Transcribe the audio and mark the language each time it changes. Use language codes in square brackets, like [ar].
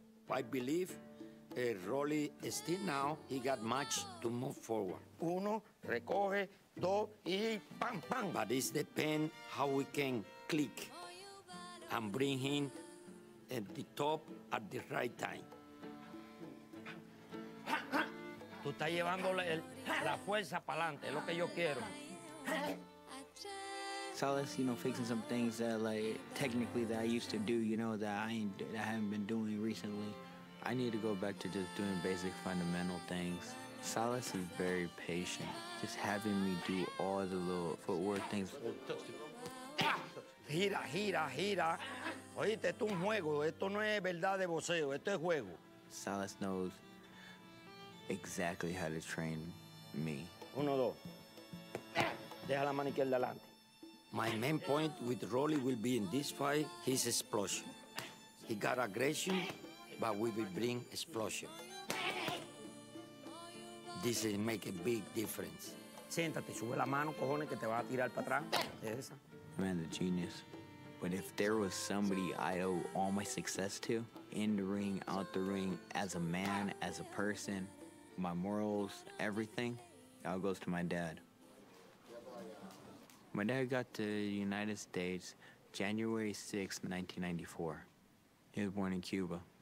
[en] I believe Rolly is still now, he got much to move forward. [es] Uno, recoge, dos, y pam, pam. [en] But it depends how we can click and bring him at the top at the right time. [es] Tú estás llevando la fuerza para adelante, es lo que yo quiero. [en] Salas, you know, fixing some things that, like, technically that I used to do, you know, that I haven't been doing recently. I need to go back to just doing basic fundamental things. Salas is very patient, just having me do all the little footwork things. [es] Gira, gira, gira. Oíste, esto es un juego. Esto no es verdad de boxeo. Esto es juego. [en] Salas knows exactly how to train me. [es] Uno, dos. Deja la manicure delante. [en] My main point with Rolly will be in this fight, his explosion. He got aggression, but we will bring explosion. This is make a big difference. [es] Siéntate, sube la mano, cojones, que te vas a tirar para atrás. Es esa. [en] Man, the genius. But if there was somebody I owe all my success to, in the ring, out the ring, as a man, as a person, my morals, everything, it all goes to my dad. My dad got to the United States January 6, 1994. He was born in Cuba.